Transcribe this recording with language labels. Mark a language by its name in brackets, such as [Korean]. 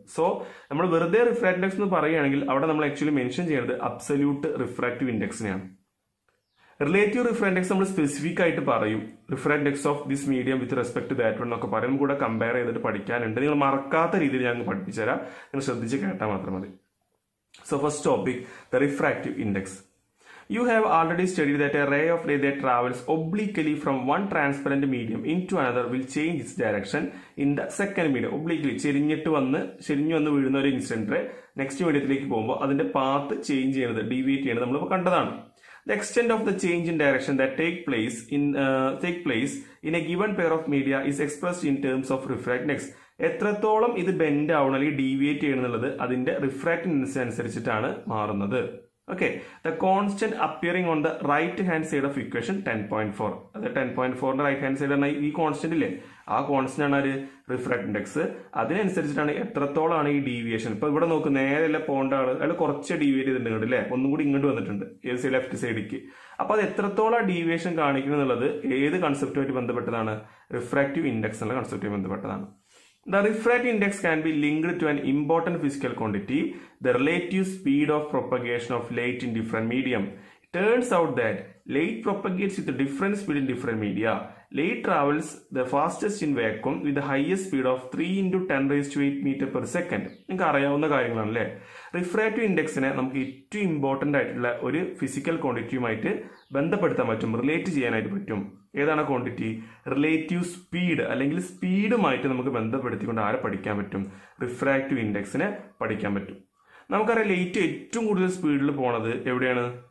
[Malayalam] So നമ്മൾ വെറുതെ refractive index എന്ന് പറയുകയാണെങ്കിൽ അവിടെ നമ്മൾ ആക്ച്വലി മെൻഷൻ ചെയ്യുന്നത് absolute refractive ഇൻഡെക്സിനെയാണ്. Relative [English] refractive index നമ്മൾ specific ആയിട്ട് പറയും, refractive index of this medium with respect to that one [Malayalam] എന്നൊക്കെ പറയും. നമുക്ക് കൂടെ കമ്പയർ ചെയ്തിട്ട് പഠിക്കാനുണ്ട്. നിങ്ങൾ മറക്കാത്ത രീതിയിൽ ഞങ്ങൾ പഠിപ്പിച്ചുതരാം, നിങ്ങൾ ശ്രദ്ധിച്ച് കേട്ടാൽ മാത്രം മതി. [English] So first topic, the refractive index. You have already studied that a ray of light that travels obliquely from one transparent medium into another will change its direction in the second medium. [Malayalam] Obliquely, ചെരിഞ്ഞിട്ട് വന്ന് ചെരിഞ്ഞു വന്ന് വീഴുന്ന ഒരു incident next മീഡിയത്തിലേക്ക് പോകുമ്പോൾ അതിന്റെ path change ചെയ്യുന്നത്, deviate ചെയ്യുന്നത് നമ്മളിപ്പോൾ കണ്ടതാണ്. [English] The extent of the change in direction that take place in a given pair of media is expressed in terms of refraction index. [Malayalam] എത്രത്തോളം ഇത് ബെൻഡ് ആവണം അല്ലെങ്കിൽ ഡീവിയേറ്റ് ചെയ്യണമെന്നുള്ളത് അതിന്റെ റിഫ്രാക്റ്റീവ് ഇൻഡെക്സ് അനുസരിച്ചിട്ടാണ് മാറുന്നത്. [English] Okay, the constant appearing on the right hand side of equation 10.4. [Malayalam] അത് 10.4 right hand side ആണ് ഈ കോൺസ്റ്റന്റ് ഇല്ലേ, ആ കോൺസ്റ്റന്റ് ആണ് ഒരു റിഫ്രാക്റ്റീവ് ഇൻഡെക്സ്. അതിനനുസരിച്ചിട്ടാണ് എത്രത്തോളമാണ് ഈ ഡീവിയേഷൻ. ഇപ്പൊ ഇവിടെ നോക്കും, നേരെ അല്ല പോകേണ്ട ആള് അയാൾ കുറച്ച് ഡീവിയേറ്റ് ചെയ്തിട്ടുണ്ട് അല്ലേ, ഒന്നും കൂടി ഇങ്ങോട്ട് വന്നിട്ടുണ്ട് ഏത് സൈ ലെഫ്റ്റ് സൈഡിലേക്ക്. അപ്പൊ അത് എത്രത്തോളം ഡീവിയേഷൻ കാണിക്കുന്നുള്ളത് ഏത് കൺസെപ്റ്റുമായിട്ട് ബന്ധപ്പെട്ടതാണ്, റിഫ്രാക്റ്റീവ് ഇൻഡെക്സ് എന്നുള്ള കൺസെപ്റ്റുമായി ബന്ധപ്പെട്ടതാണ്. [English] The refractive index can be linked to an important physical quantity, the relative speed of propagation of light in different medium. It turns out that light propagates with different speed in different media. Light travels the fastest in vacuum with the highest speed of 3×10⁸ meter per second. [Malayalam] നിങ്ങൾക്ക് അറിയാവുന്ന കാര്യങ്ങളാണല്ലേ. Refractive ഇൻഡെക്സിനെ നമുക്ക് ഏറ്റവും important ആയിട്ടുള്ള ഒരു physical ക്വാണ്ടിറ്റിയുമായിട്ട് ബന്ധപ്പെടുത്താൻ പറ്റും, relate ചെയ്യാനായിട്ട് പറ്റും. ഏതാണ് ക്വാണ്ടിറ്റി? റിലേറ്റീവ് സ്പീഡ് അല്ലെങ്കിൽ സ്പീഡുമായിട്ട് നമുക്ക് ബന്ധപ്പെടുത്തിക്കൊണ്ട് ആരെ പഠിക്കാൻ പറ്റും? റിഫ്രാക്റ്റീവ് ഇൻഡെക്സിനെ പഠിക്കാൻ പറ്റും. നമുക്കറിയാം ലൈറ്റ് ഏറ്റവും കൂടുതൽ സ്പീഡിൽ പോണത് എവിടെയാണ്?